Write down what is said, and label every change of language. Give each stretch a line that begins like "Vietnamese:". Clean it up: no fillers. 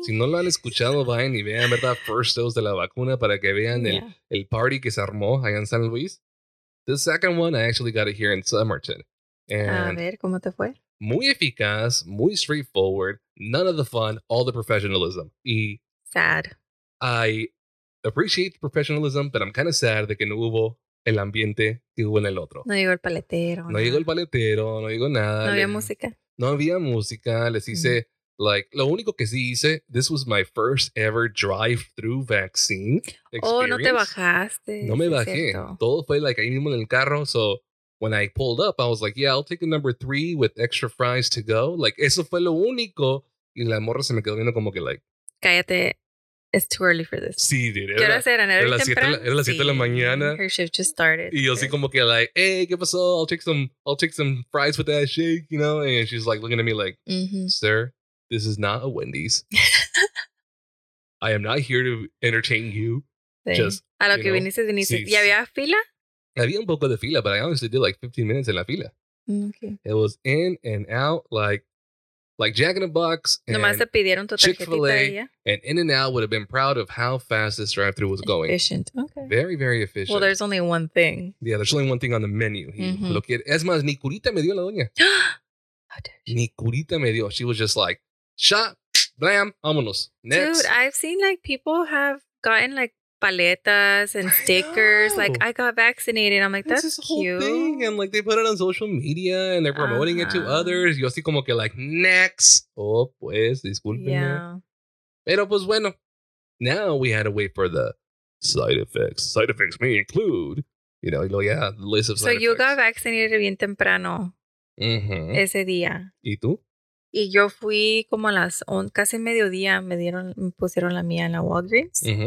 Spanish: Si no lo han escuchado, vayan y vean, ¿verdad?
English: First dose
Spanish: de la vacuna para que vean el party que se armó allá en San Luis.
English: The second one, I actually got it here in Somerton. And
Spanish: a ver, ¿cómo te fue? Muy eficaz, muy
English: straightforward, none of the fun, all the professionalism.
Spanish: Y
English: sad. I appreciate the professionalism, but I'm kind of sad
Spanish: de que no hubo el ambiente que hubo en el otro. No llegó el paletero. No llegó el paletero, no llegó nada. No había música. No había música. Les hice,
English: like,
Spanish: lo único que sí hice,
English: this was my first ever drive-through vaccine experience.
Spanish: Oh, no te bajaste. No me bajé. Cierto. Todo fue,
English: like,
Spanish: ahí mismo en el carro.
English: So, when I pulled up, I was like, yeah, I'll take the number 3 with extra fries to go. Like,
Spanish: eso fue lo único. Y la morra se me quedó viendo como que,
English: like...
Spanish: Cállate.
English: It's too early for this.
Spanish: Sí,
English: dude.
Spanish: ¿Qué horas eran? ¿Era temprano? Era las 7 de la mañana.
English: Her shift just started.
Spanish: Y yo así como que
English: like,
Spanish: hey, ¿qué pasó?
English: I'll take some fries with that shake, you know? And she's like looking at me like, sir, this is not a Wendy's. I am not here to entertain you.
Spanish: Sí.
English: Just,
Spanish: a lo que viniste, viniste. Sí. ¿Y había fila? Había un poco de fila,
English: but I honestly did like 15 minutes
Spanish: en la fila. Okay. It was in and out like Jack in the Box and nomás te pidieron tu Chick-fil-A tarjetita de ella.
English: And In-N-Out would have been proud of how fast this drive-thru was going. Efficient, okay. Very, very efficient. Well, there's only one thing. Yeah, there's only one thing on the menu.
Spanish: Es más, ni curita me dio la doña. Ni curita me dio.
English: She was just like, shot, blam,
Spanish: vámonos.
English: Next. Dude, I've seen like people have gotten like paletas and stickers. Like, I got vaccinated. I'm like, that's cute. Whole thing. And like, they put it on social media and they're promoting it to others.
Spanish: Yo así como que
English: like, next.
Spanish: Oh, pues, discúlpenme.
English: Yeah.
Spanish: Pero pues bueno.
English: Now we had to wait for the side effects. Side effects may include, you know, yeah, the list of side effects. So you got vaccinated
Spanish: bien temprano ese día. ¿Y tú? Y yo fui como a las casi mediodía, me pusieron la mía en la Walgreens.